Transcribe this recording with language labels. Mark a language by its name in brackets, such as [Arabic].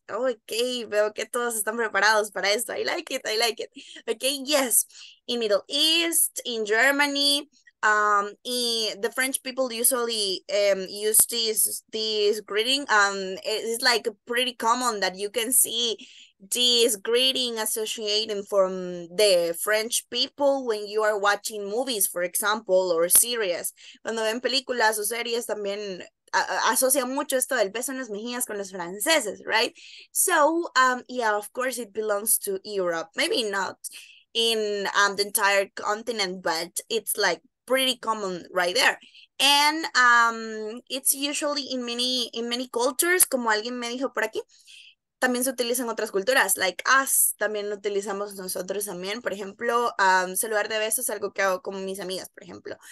[Spanish] Okay, veo que todos están preparados para esto. [English] I like it. Okay, yes. In Middle East, in Germany, the French people usually use this greeting. It's like pretty common that you can see this greeting associated from the French people when you are watching movies, for example, or series. [Spanish] Cuando ven películas o series, también asocia mucho esto del beso en las mejillas con los franceses, right? [English] So, yeah, of course, it belongs to Europe. Maybe not in the entire continent, but it's like pretty common right there. And it's usually in many cultures, [Spanish] como alguien me dijo por aquí, también se utilizan otras culturas, [English] like us, [Spanish] también lo utilizamos nosotros también, por ejemplo, saludar de besos es algo que hago con mis amigas, por ejemplo.